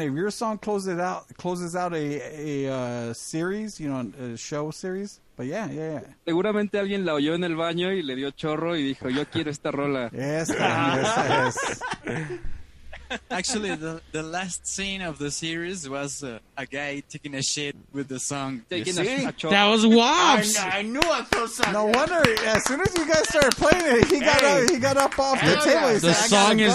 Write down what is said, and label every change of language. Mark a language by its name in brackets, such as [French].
[English] If your song closes out a series, you know, a show series. But yeah. [Spanish] Seguramente alguien la oyó en el baño y le dio chorro y dijo, yo quiero esta rola. Esta es. [English] Actually, the last scene of the series was a guy taking a shit with the song. Taking a shit. That was Wops. I knew I felt something. No wonder. As soon as you guys started playing it, he got up off the table. Yeah. The song is